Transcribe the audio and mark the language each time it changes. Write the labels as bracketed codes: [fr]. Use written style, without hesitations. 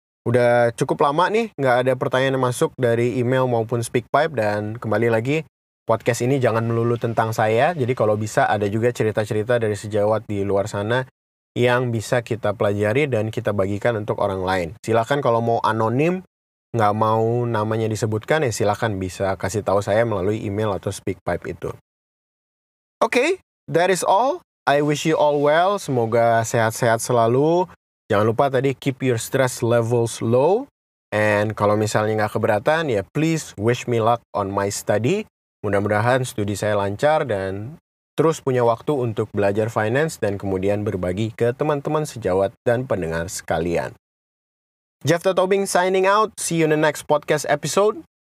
[id] Udah cukup lama nih, nggak ada pertanyaan yang masuk dari email maupun speakpipe, dan kembali lagi, podcast ini jangan melulu tentang saya, jadi kalau bisa ada juga cerita-cerita dari sejawat di luar sana yang bisa kita pelajari dan kita bagikan untuk orang lain. Silakan kalau mau anonim, nggak mau namanya disebutkan, ya silakan bisa kasih tahu saya melalui email atau speakpipe itu. [en] Okay, that is all. I wish you all well. [id] Semoga sehat-sehat selalu. Jangan lupa tadi, [en] keep your stress levels low. And [id] kalau misalnya nggak keberatan, ya [en] please wish me luck on my study. [id] Mudah-mudahan studi saya lancar dan terus punya waktu untuk belajar finance dan kemudian berbagi ke teman-teman sejawat dan pendengar sekalian. [en] Jeff Tobing signing out. See you in the next podcast episode.